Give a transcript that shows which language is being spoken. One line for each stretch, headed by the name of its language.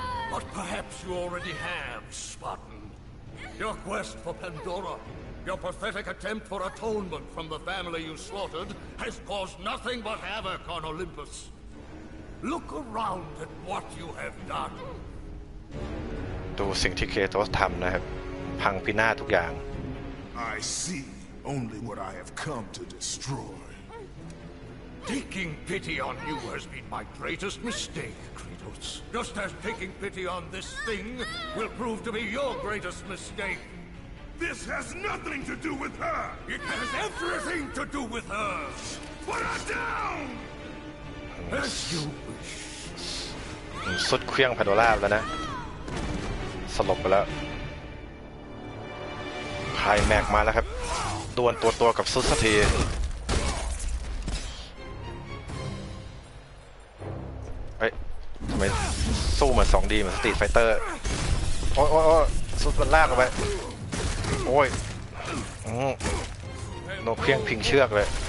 English: But perhaps you already have, Spartan. Your quest for Pandora. Your pathetic attempt for atonement from the family you slaughtered has caused nothing but havoc on Olympus. Look around at what you have done.
Thai: สิ่งที่เคโตสทำนะครับพังพินาศทุกอย่าง
English: I see only what I have come to destroy. Taking pity on you has been my greatest mistake, Kratos. Just as taking pity on this thing will prove to be your greatest mistake. This has nothing to do with her! It has everything to do with her! Put her down! As you wish.
Thai: สุดเครื่องแพนโดร่าแล้วนะสลบไปแล้วคลายแม็กมาแล้วครับดวลตัวกับซุสเทียเฮ้ยทำไมสู้มา2ดีเหมือนสตรีทไฟเตอร์โอ้ซุสมันลากออกไปโอ้ยโนเพียงพิงเชือกเลย